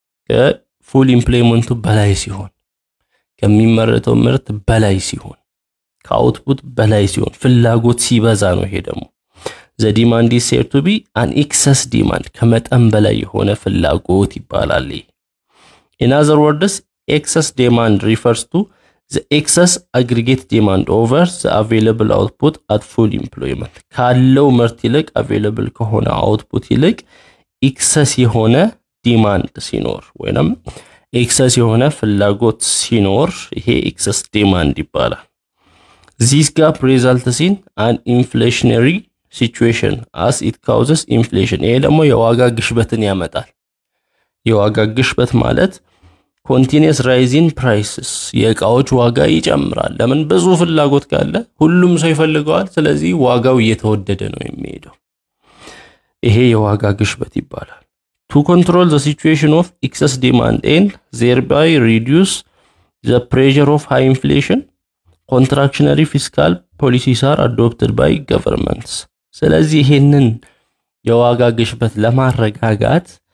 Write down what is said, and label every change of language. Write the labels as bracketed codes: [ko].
[am] ከfull employment በላይ ሲሆን ከሚመረተው ምርት በላይ ሲሆን ከoutput በላይ ሲሆን ፍላጎት ሲበዛ ነው ይሄ ደግሞ [en] the demand is said to be an excess demand [am] ከመጠን በላይ የሆነ ፍላጎት ይባላል [en] In other words, excess demand refers to the excess aggregate demand over the available output at full employment. [am] ካለው ምርት ይልቅ available ከሆነ output ይልቅ excess የሆነ demand ሲኖር ወይንም excess የሆነ ፍላጎት ሲኖር ይሄ excess demand ይባላል. [en] This gap results in an inflationary situation as it causes inflation. [am] ይሄ ደግሞ የዋጋ ግሽበትን ያመጣል. የዋጋ ግሽበት ማለት [en] continuous rising prices [am] የቃዎች ዋጋ ይጨምራል ለምን ብዙ ፍላጎት ካለ ሁሉም ሰው ይፈልጋል ስለዚህ ዋጋው እየተወደደ ነው የሚሄደው ይሄ የዋጋ ግሽበት ይባላል [en] to control the situation of excess demand and thereby reduce the pressure of high inflation contractionary fiscal policies are adopted by governments [am] ስለዚህ ይሄንን የዋጋ ግሽበት ለማረጋጋት